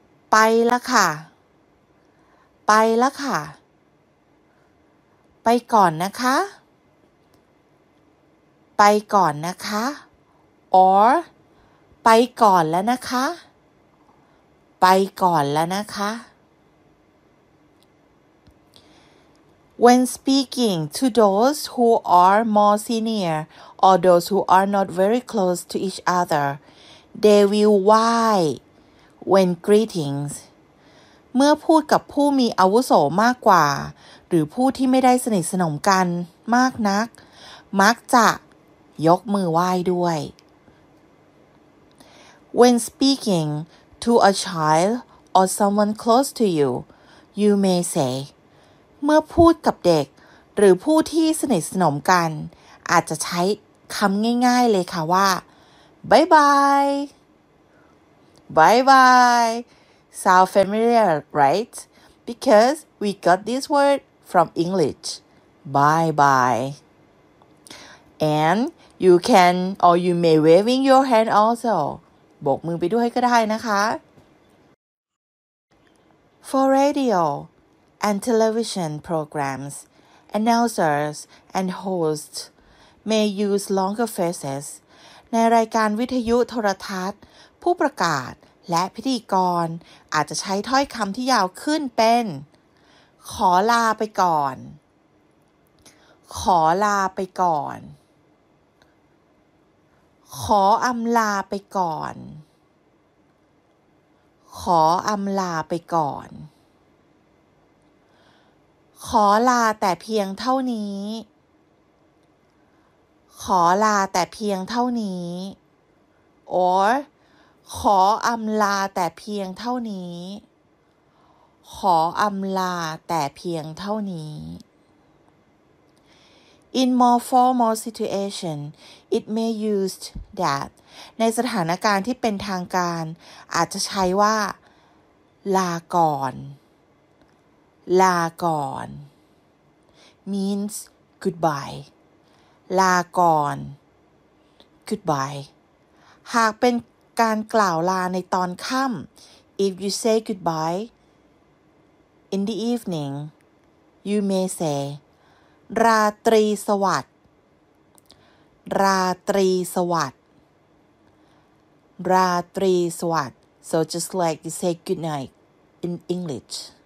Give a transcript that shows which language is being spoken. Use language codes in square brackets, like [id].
[th] ไปละค่ะไปละค่ะไปก่อนนะคะไปก่อนนะคะ or ไปก่อนแล้วนะคะไปก่อนแล้วนะคะ [en] When speaking to those who are more senior or those who are not very close to each other, they will why when greetings. [th] เมื่อพูดกับผู้มีอาวุโสมากกว่าหรือผู้ที่ไม่ได้สนิทสนมกันมากนักมักจะยกมือไหว้ด้วย [en] When speakingTo a child or someone close to you, you may say, [th] เมื่อพูดกับเด็กหรือผู้ที่สนิทสนมกันอาจจะใช้คำง่ายๆเลยค่ะว่า bye bye, [en] bye bye. Sound familiar, right? Because we got this word from English, bye bye. And you can or you may waving your hand also. [th] โบกมือไปด้วยก็ได้นะคะ [en] For radio and television programs, announcers and hosts may use longer phrases. [th] ในรายการวิทยุโทรทัศน์ผู้ประกาศและพิธีกรอาจจะใช้ถ้อยคำที่ยาวขึ้นเป็นขอลาไปก่อนขอลาไปก่อนขออำลาไปก่อนขออำลาไปก่อนขอลาแต่เพียงเท่านี้ ขอลาแต่เพียงเท่านี้ or ขออำลาแต่เพียงเท่านี้ขออำลาแต่เพียงเท่านี้ [en] In more formal situation it may used that [th] ในสถานการณ์ที่เป็นทางการอาจจะใช้ว่าลาก่อนลาก่อน [en] means goodbye [th] ลาก่อน [en] goodbye [th] หากเป็นการกล่าวลาในตอนค่ำ [en] if you say goodbye in the evening you may say [th] ราตรีสวัสดิ์ราตรีสวัสดิ์ราตรีสวัสดิ์ [en] so just like you say good night in English